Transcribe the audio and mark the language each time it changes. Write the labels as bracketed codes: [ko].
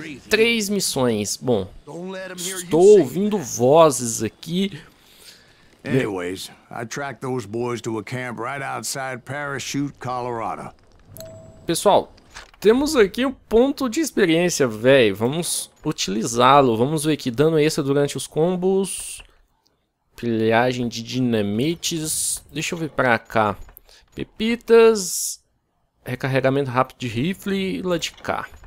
[pt] 3 missões. Bom, estou ouvindo vozes aqui. [en] Anyways, I tracked those boys to a camp right outside Parachute, Colorado. [pt] Pessoal, temos aqui o ponto de experiência, velho. Vamos utilizá-lo. Vamos ver aqui. Dano extra durante os combos. Pilhagem de dinamites. Deixa eu ver pra cá. Pepitas. Recarregamento rápido de rifle. Lá de cá.